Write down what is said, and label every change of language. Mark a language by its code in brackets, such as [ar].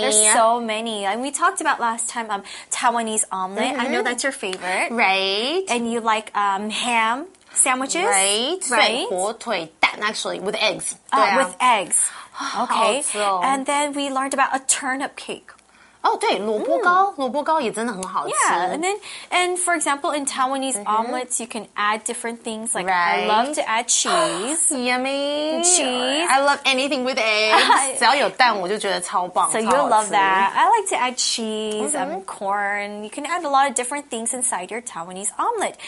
[en] There's so many. And we talked about last time, Taiwanese omelet. Mm-hmm. I know that's your favorite. Right. And you like, ham sandwiches. Right. Right. 火腿蛋, actually, with eggs. With eggs. Okay. And then we learned about a turnip cake. [zh] Oh, 对, 萝卜糕, 萝卜糕也真的很好吃。 [en] Yeah, and then, and for example, in Taiwanese omelets, you can add different things, like, right. I love to add cheese. Yummy! Cheese. I love anything with eggs. [zh] 只要有蛋,我就觉得超棒, [en] So you'll love that. I like to add cheese, corn. You can add a lot of different things inside your Taiwanese omelet.